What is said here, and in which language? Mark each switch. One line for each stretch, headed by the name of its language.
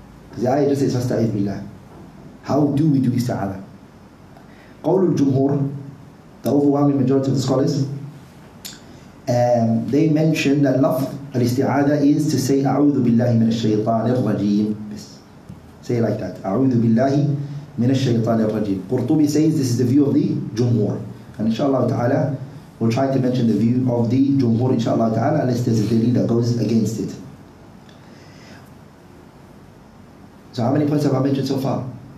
English: Because the ayah just says, fasta'idh billah. How do we do isti'adah?
Arabic: قول الجمهور,
English: the overwhelming majority of the scholars, they mention that
Arabic: لفظ الاستعادة
English: is to say
Arabic: أعوذ بالله من الشيطان الرجيم.
English: Yes. Say it like that.
Arabic: أعوذ بالله من الشيطان الرجيم.
English: قرطبي says this is the view of the جمهور. And inshallah ta'ala, we'll try to mention the view of the جمهور inshallah ta'ala, unless there's a delay that goes against it. So how many points have I mentioned so far?